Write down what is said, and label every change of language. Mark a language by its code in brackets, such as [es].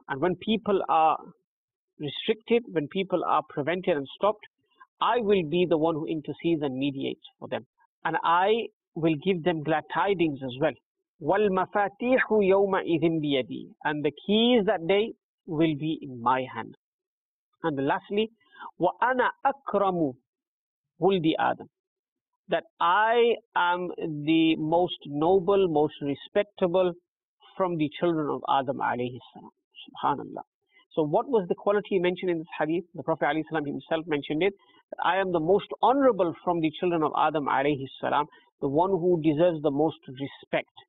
[en] And when people are restricted, when people are prevented and stopped, I will be the one who intercedes and mediates for them. And I will give them glad tidings as well. [ar] والمفاتيح يومئذ بيدي. [en] And the keys that day will be in my hand. And lastly, [ar] وأنا أكرم ولد آدم. [en] That I am the most noble, most respectable from the children of Adam alayhi salam. Subhanallah. So what was the quality mentioned in this hadith? The Prophet alayhi salam himself mentioned it. I am the most honorable from the children of Adam alayhi salam, the one who deserves the most respect.